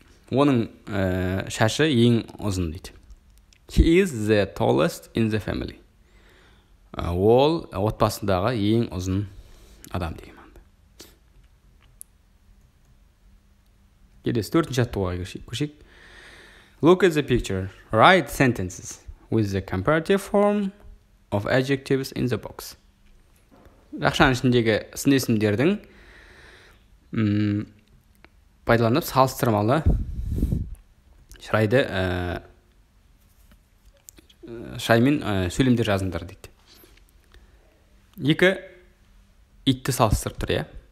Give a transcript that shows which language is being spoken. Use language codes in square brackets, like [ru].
[kk] Оның шашы ең ұзын дейді. [en] He is the tallest in the family. [kk] Ол отбасындағы ең ұзын адам дейді. Келесі төртінші аттуға көшейік. [en] Look at the picture. Write sentences with the comparative form of adjectives in the box. [kk] Жақшаның ішіндегі сын есімдердің пайдаланып салыстырмалы шырайды шаймен сөйлемдер жазындар дейді. Екі итті салыстырып тұр, иә?